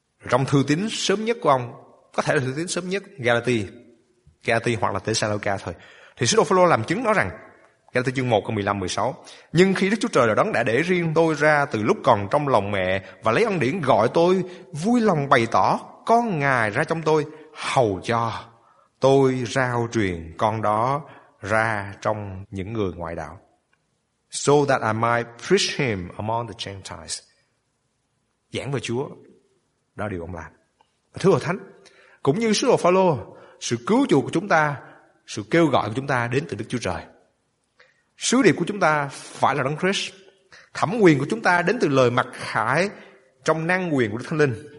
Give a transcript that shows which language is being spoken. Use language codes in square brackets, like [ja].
[vi] Trong thư tín sớm nhất của ông, có thể là thư tín sớm nhất Galati hoặc là Tê-sa-lô-ca thôi, thì sứ đồ Phaolô làm chứng nói rằng Galati chương 1 câu 15-16 nhưng khi Đức Chúa Trời là Đấng đã để riêng tôi ra từ lúc còn trong lòng mẹ và lấy ân điển gọi tôi, vui lòng bày tỏ con Ngài ra trong tôi hầu cho tôi rao truyền con đó ra trong những người ngoại đạo. [en] So that I might preach him among the Gentiles. [vi] Giảng về Chúa, đó là điều ông làm. Thưa Hội Thánh, cũng như sứ đồ Phaolô, sự cứu chuộc của chúng ta, sự kêu gọi của chúng ta đến từ Đức Chúa Trời. Sứ điệp của chúng ta phải là Đấng Christ. Thẩm quyền của chúng ta đến từ lời mặc khải trong năng quyền của Đức Thánh Linh.